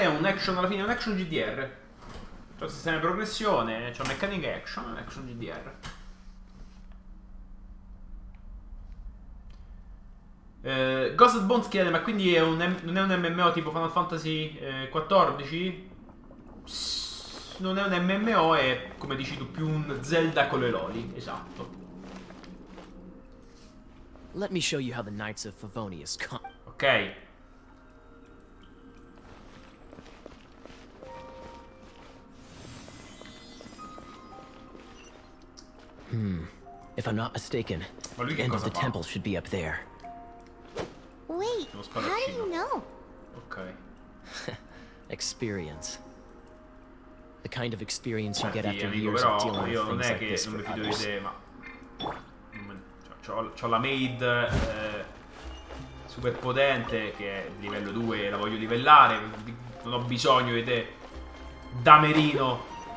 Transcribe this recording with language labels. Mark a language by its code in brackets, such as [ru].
[it] È un action alla fine, un action GDR. C'è un sistema di progressione, c'è un mechanic action, un action GDR. Ghost Bones chiede, ma quindi è un non è un MMO tipo Final Fantasy 14? Non è un MMO, è come dici tu più un Zelda con le loli, esatto. [en] Let me show you how the Knights of Favonius come. Ok. Hmm. If I'm not mistaken, the end of the temple should be up there. Wait, how do you know? Okay. Experience. The kind of experience you get after years of dealing with things like this. [it] Non mi fido di te, ma c'ho la maid super potente che è livello 2, la voglio livellare, non ho bisogno di te, damerino.